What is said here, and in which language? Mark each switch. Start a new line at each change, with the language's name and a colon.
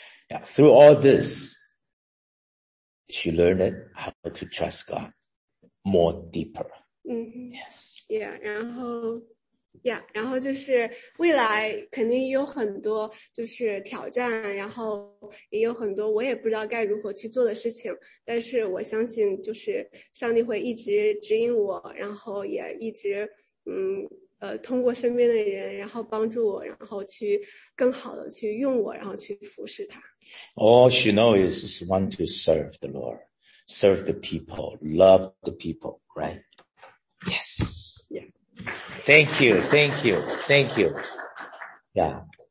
English: Yeah, through all this, she learned how to trust God more deeper. Mm-hmm. Yes.
Chinese: Yeah, 然后 Yeah, 然后就是未来肯定有很多就是挑战, 然后也有很多我也不知道该如何去做的事情, 但是我相信就是上帝会一直指引我, 然后也一直通过身边的人, 然后帮助我, 然后去更好的去用我, 然后去服侍他。
English: All she knows is just want to serve the Lord, serve the people, love the people, right? Yes. Thank you, thank you, thank you. Yeah.